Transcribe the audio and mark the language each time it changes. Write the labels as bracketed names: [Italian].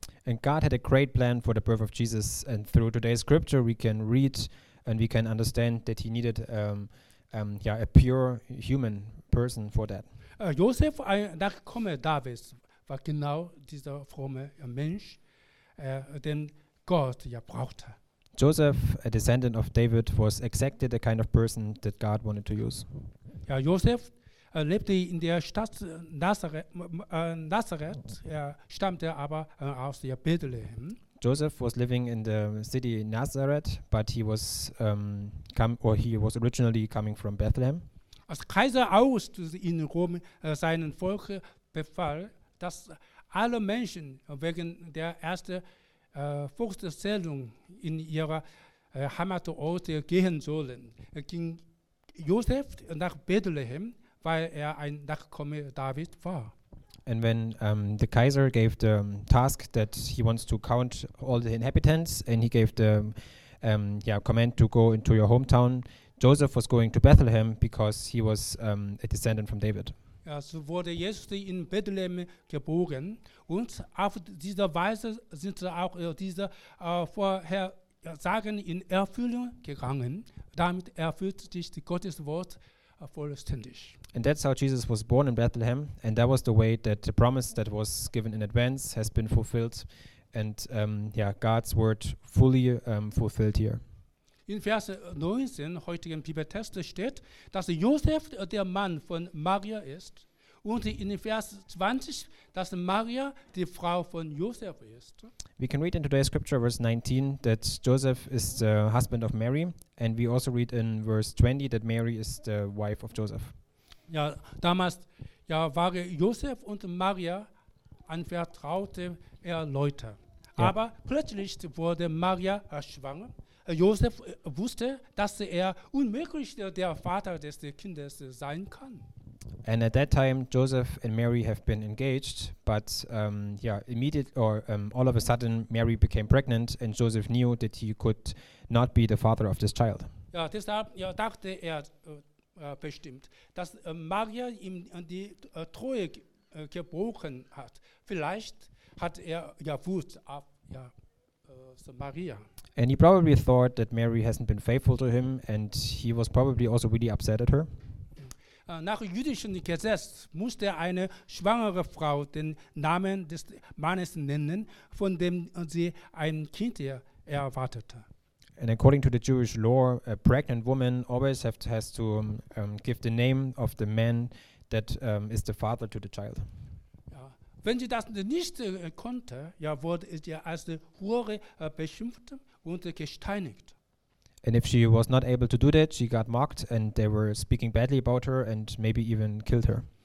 [English] And God had a great plan for the birth of Jesus, and through today's scripture we can read and we can understand that he needed a pure human person for that. [German] Josef, ein Nachkomme Davids, war genau dieser fromme Mensch, den Gott ja brauchte. [English] Joseph, a descendant of David, was exactly the kind of person that God wanted to use. [German] Ja, Joseph lebte in der Stadt Nazareth, Nazareth, er stammte aber aus der Bethlehem. [English] Joseph was living in the city Nazareth, but he was originally coming from Bethlehem. [German] Als Kaiser August in Rom seinen Volk befahl, dass alle Menschen wegen der ersten Volkszählung in ihre Heimatorte gehen sollen, ging Josef nach Bethlehem, weil er ein Nachkomme David war. [English] And when the Kaiser gave the task that he wants to count all the inhabitants and he gave the command to go into your hometown, Joseph was going to Bethlehem because he was a descendant from David. [German] So wurde Jesus in Bethlehem geboren und auf diese Weise sind auch diese Vorhersagen in Erfüllung gegangen. Damit erfüllt sich Gottes Wort vollständig. [English] And that's how Jesus was born in Bethlehem, and that was the way that the promise that was given in advance has been fulfilled, and God's word fully fulfilled here. [German] In Vers 19 heutigen Bibeltext steht, dass Josef der Mann von Maria ist und in Vers 20, dass Maria die Frau von Josef ist. [English] We can read in today's scripture verse 19 that Joseph is the husband of Mary and we also read in verse 20 that Mary is the wife of Joseph. [German] Ja, damals ja, waren Josef und Maria ein vertrauter Leute. Yeah. Aber plötzlich wurde Maria schwanger. Josef wusste, dass er unmöglich der Vater des Kindes sein kann. [English] And at that time, Joseph and Mary have been engaged, but all of a sudden, Mary became pregnant, and Joseph knew that he could not be the father of this child. [German] Ja, deshalb ja, dachte er bestimmt, dass Maria ihm die Treue gebrochen hat. Vielleicht hat er ja Wut auf so Maria. [English] And he probably thought that Mary hasn't been faithful to him, and he was probably also really upset at her. [German] Nach jüdischem Gesetz musste eine schwangere Frau den Namen des Mannes nennen, von dem sie ein Kind erwartete. [English] And according to the Jewish law, a pregnant woman always has to give the name of the man that is the father to the child. [German] Wenn sie das nicht konnte, ja, wurde sie als Hure beschimpft und gesteinigt. [English] And if she was not able to do that, she got mocked and they were speaking badly about her and maybe even killed her.